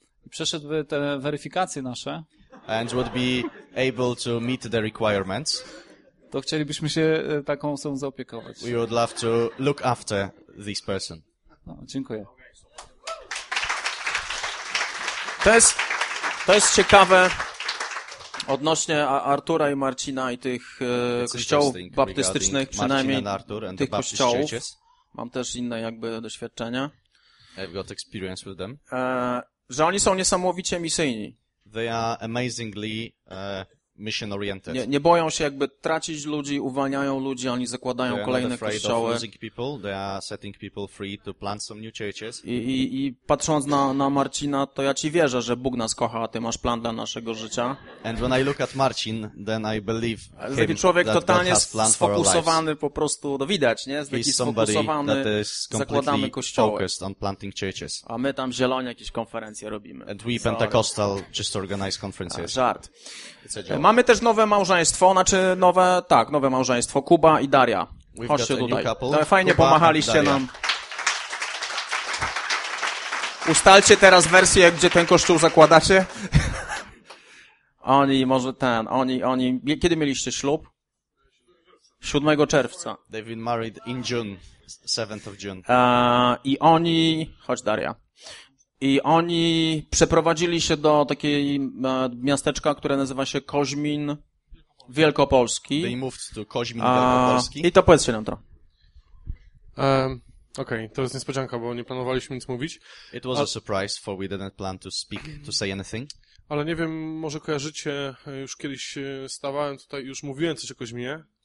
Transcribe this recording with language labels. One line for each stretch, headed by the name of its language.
Polish: przeszedłby te weryfikacje nasze
English: and would be able to meet the requirements,
Polish: to chcielibyśmy się taką osobą zaopiekować.
English: We would love to look after this person.
Polish: No, dziękuję. To jest ciekawe odnośnie Artura i Marcina i tych kościołów baptystycznych, przynajmniej tych kościołów. Mam też inne jakby doświadczenia.
English: I've got experience with them.
Polish: Że oni są niesamowicie misyjni.
English: They are amazingly mission oriented.
Polish: Nie boją się jakby tracić ludzi, uwalniają ludzi, oni zakładają kolejne kościoły.
English: They are setting people free to plant some new churches.
Polish: I patrząc na Marcina, to ja ci wierzę, że Bóg nas kocha, a ty masz plan dla naszego życia.
English: And when I look at Marcin, then I believe him.
Polish: Taki człowiek totalnie sfokusowany, po prostu to widać, nie? Taki sfokusowany, zakładamy kościoły.
English: Focused on planting churches.
Polish: A my tam zielone jakieś konferencje robimy.
English: And we Pentecostal just organize conferences.
Polish: Żart. Mamy też nowe małżeństwo, znaczy nowe, tak, nowe małżeństwo, Kuba i Daria. Chodźcie tutaj. Fajnie Kuba pomachaliście nam. Ustalcie teraz wersję, gdzie ten kościół zakładacie. Oni, kiedy mieliście ślub? 7 czerwca.
English: They've been married in June, 7th of June.
Polish: I oni, chodź Daria. I oni przeprowadzili się do takiej miasteczka, które nazywa się Koźmin Wielkopolski.
English: They moved to Koźmin Wielkopolski.
Polish: I to powiedzcie nam to. Okej, to jest niespodzianka, bo nie planowaliśmy nic mówić.
English: It was a surprise, for we didn't plan to speak, to say anything.
Polish: Ale nie wiem, może kojarzycie, już kiedyś stawałem tutaj, już mówiłem coś o Koźminie.